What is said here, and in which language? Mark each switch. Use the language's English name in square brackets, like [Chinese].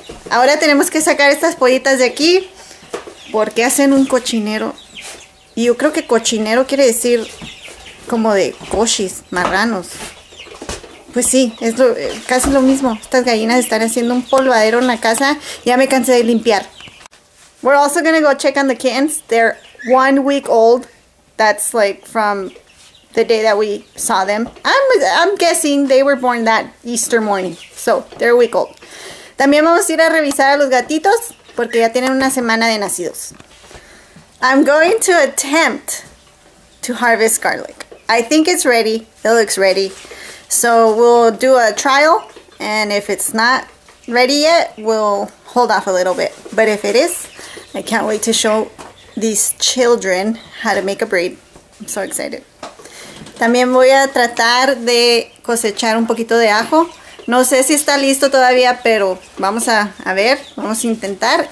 [Spanish] Ahora tenemos que sacar estas pollitas de aquí porque hacen un cochinero. Y yo creo que cochinero quiere decir como de cochis, marranos. Pues sí, es casi lo mismo. Estas gallinas están haciendo un polvadero en la casa. Ya me cansé de limpiar. [English] We're also gonna go check on the kittens. They're 1 week old. That's like from the day that we saw them. I'm guessing they were born that Easter morning. So, they're a week old. [Spanish] También vamos a ir a revisar a los gatitos porque ya tienen una semana de nacidos. [English] I'm going to attempt to harvest garlic. I think it's ready. It looks ready. So we'll do a trial, and if it's not ready yet, we'll hold off a little bit. But if it is, I can't wait to show these children how to make a braid. I'm so excited. [Spanish] También voy a tratar de cosechar un poquito de ajo. No sé si está listo todavía, pero vamos a ver, vamos a intentar.